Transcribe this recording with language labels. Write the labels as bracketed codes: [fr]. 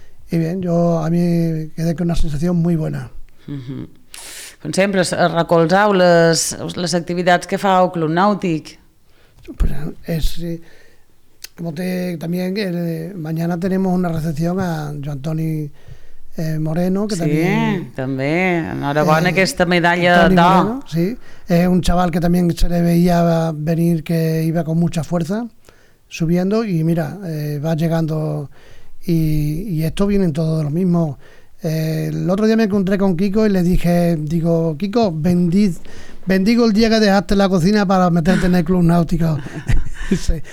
[es] Y bien, yo a mí quedé con una sensación muy buena. [ca] Uh-huh. Com sempre, recolzeu les activitats que fa el Club Nàutic. [es] Pues es, como te, también mañana tenemos una recepción a Joan Antoni Moreno, que sí, [ca] també enhorabona aquesta medalla d'or. [es] Sí, es un chaval que también se le veía venir, que iba con mucha fuerza subiendo, y mira, va llegando, y esto viene todo de lo mismo. El otro día me encontré con Kiko y le dije, digo, Kiko, bendigo el día que dejaste la cocina para meterte en el Club Náutico. Sí.